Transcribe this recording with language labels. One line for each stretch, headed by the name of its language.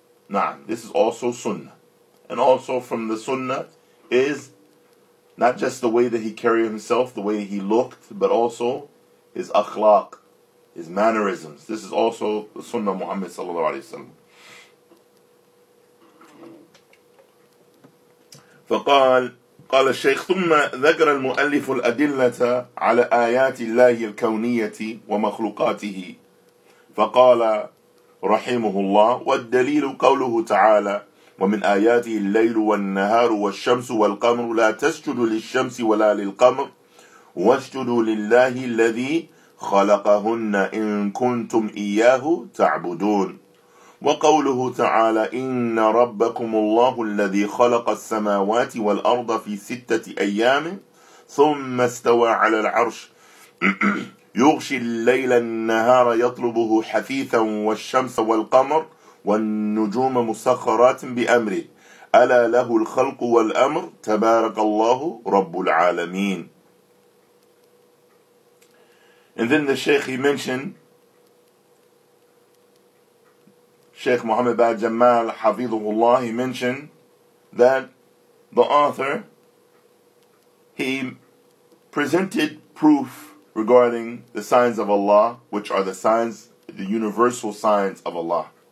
English: Na'am, this is also sunnah. And also from the sunnah is not just the way that he carried himself, the way he looked, but also his akhlaq, his mannerisms. This is also the sunnah of Muhammad sallallahu alayhi wa sallam.
Arabic: فقال قال الشيخ ثم ذكر المؤلف الأدلة على آيات الله الكونية ومخلوقاته فقال رحمه الله والدليل قوله تعالى ومن آياته الليل والنهار والشمس والقمر لا تسجدوا للشمس ولا للقمر واسجدوا لله الذي خلقهن إن كنتم إياه تعبدون وقوله تعالى إن ربكم الله الذي خلق السماوات والأرض في ستة أيام ثم استوى على العرش يغشي الليل النهار يطلبه حثيثا والشمس والقمر والنجوم مسخرات بأمره ألا له الخلق والأمر تبارك الله رب العالمين.
English: And then the Sheikh, he mentioned, Sheikh Muhammad Ba'd Jamal Hafidhullah, he mentioned that the author, he presented proof regarding the signs of Allah, which are the signs, the universal signs of Allah.